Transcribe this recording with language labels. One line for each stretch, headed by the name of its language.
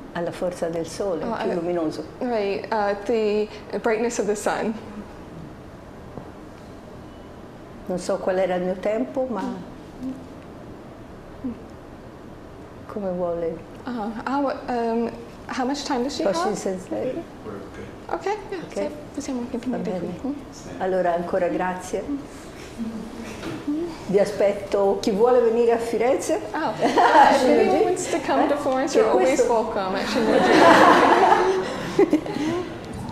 Italian: Alla forza del sole, più luminoso.
English: Right, the brightness of the sun.
Italian: Non so qual era il mio tempo, ma come vuole.
English: How much time does she have? She says, okay. Okay, yeah, okay. So
Italian: possiamo continuare. Bene. Allora, ancora grazie. Vi aspetto, chi vuole venire a Firenze?
English: Oh, if anyone wants to come to Florence, you're always welcome at Shinyoji.